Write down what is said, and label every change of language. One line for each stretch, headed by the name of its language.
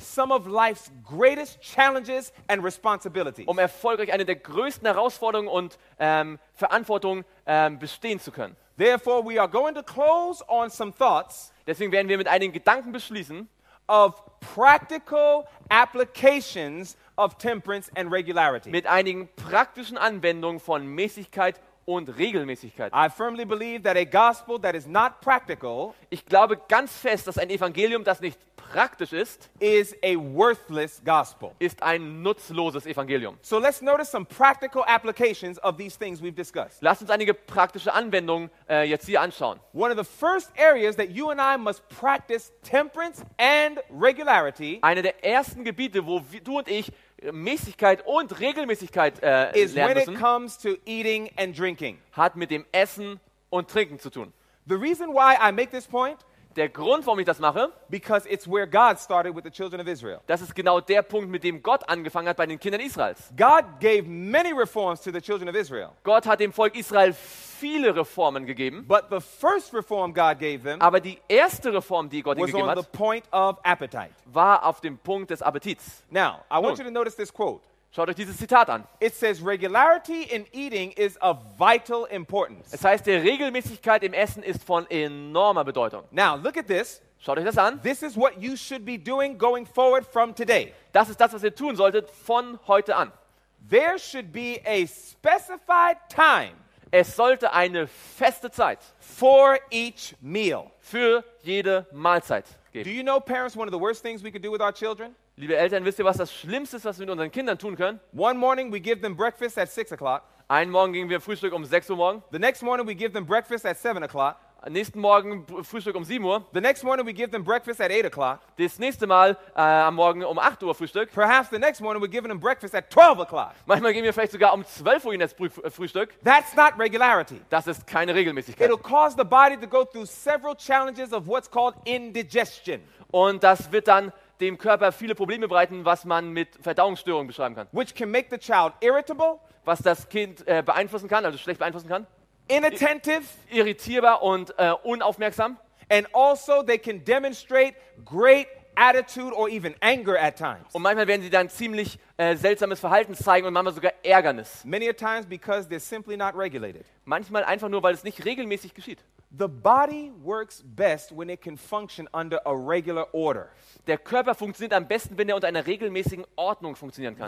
English: some of life's greatest challenges and responsibilities,
German: um erfolgreich eine der größten Herausforderungen und Verantwortung bestehen zu können.
English: Therefore, we are going to close on some thoughts.
German: Deswegen werden wir mit einigen Gedanken beschließen.
English: Of practical applications of temperance and regularity.
German: Mit einigen praktischen Anwendungen von Mäßigkeit und Regelmäßigkeit.
English: I firmly believe that a gospel that is not practical,
German: ich glaube ganz fest, dass ein Evangelium, das nicht praktisch ist,
English: is a worthless gospel.
German: Ist ein nutzloses Evangelium.
English: So let's notice some practical applications of these things we've discussed.
German: Lasst uns einige praktische Anwendungen jetzt hier anschauen.
English: One of the first areas that you and I must practice temperance and regularity.
German: Eine der ersten Gebiete, wo du und ich Mäßigkeit und Regelmäßigkeit lernen müssen,
English: it comes to eating and drinking.
German: Hat mit dem Essen und Trinken zu tun.
English: The reason why I make this point,
German: der Grund, warum ich das mache,
English: because it's where God started with the children of Israel.
German: Das ist genau der Punkt, mit dem Gott angefangen hat bei den Kindern Israels.
English: God gave many reforms to the children of Israel.
German: Gott hat dem Volk Israel viele Reformen gegeben.
English: But the first reform God gave them,
German: aber die erste Reform, die Gott ihnen gegeben hat,
English: was on the point of appetite.
German: War auf dem Punkt des Appetits.
English: Now, I want you to notice this quote.
German: Schaut euch dieses Zitat an.
English: It says regularity in eating is of vital importance.
German: Es heißt, die Regelmäßigkeit im Essen ist von enormer Bedeutung.
English: Now look at this.
German: Schaut euch das an.
English: This is what you should be doing going forward from today.
German: Das ist das, was ihr tun solltet von heute an.
English: There should be a specified time.
German: Es sollte eine feste Zeit
English: for each meal.
German: Für jede Mahlzeit geben.
English: Do you know, parents, one of the worst things we could do with our children?
German: Liebe Eltern, wisst ihr, was das Schlimmste ist, was wir mit unseren Kindern tun können?
English: One morning we give them breakfast at 6 o'clock.
German: Einen Morgen geben wir Frühstück um 6 Uhr morgen.
English: The next morning we give them breakfast at 7 o'clock.
German: Nächsten Morgen Frühstück um 7 Uhr.
English: The next morning we give them breakfast at 8 o'clock.
German: Das nächste Mal am Morgen um 8 Uhr Frühstück.
English: Perhaps the next morning we give them breakfast at 12 o'clock.
German: Manchmal geben wir vielleicht sogar um 12 Uhr ihnen das Frühstück.
English: That's not regularity.
German: Das ist keine Regelmäßigkeit.
English: It'll cause the body to go through several challenges of what's called indigestion.
German: Und das wird dann dem Körper viele Probleme bereiten, was man mit Verdauungsstörungen beschreiben kann.
English: Which can make the child irritable,
German: was das Kind beeinflussen kann, also schlecht beeinflussen kann.
English: Inattentive,
German: irritierbar und unaufmerksam.
English: And also they can demonstrate great attitude or even anger at times.
German: Und manchmal werden sie dann ziemlich seltsames Verhalten zeigen und manchmal sogar Ärgernis.
English: Many a times because they're simply not regulated.
German: Manchmal einfach nur, weil es nicht regelmäßig geschieht.
English: The body works best when it can function under a regular order.
German: Der Körper funktioniert am besten, wenn er unter einer regelmäßigen Ordnung funktionieren kann.